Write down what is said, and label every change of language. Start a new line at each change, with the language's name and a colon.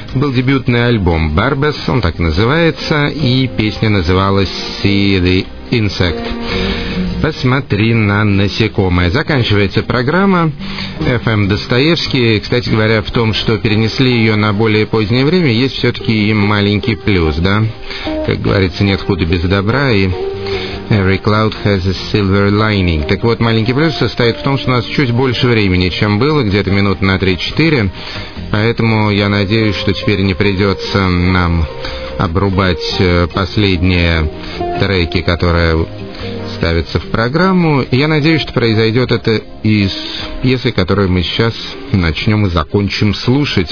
Russian: Был дебютный альбом «Барбез», он так называется, и песня называлась «See the Insect». «Посмотри на насекомое». Заканчивается программа FM Достоевский. Кстати говоря, в том, что перенесли ее на более позднее время, есть все-таки и маленький плюс, да? Как говорится, нет худа без добра, и
English: Every cloud has a silver lining.
Russian: Так вот, маленький плюс состоит в том, что у нас чуть больше времени, чем было, где-то минут на 3-4. Поэтому я надеюсь, что теперь не придется нам обрубать последние треки, которые ставятся в программу. И я надеюсь, что произойдет это из пьесы, которую мы сейчас начнем и закончим слушать.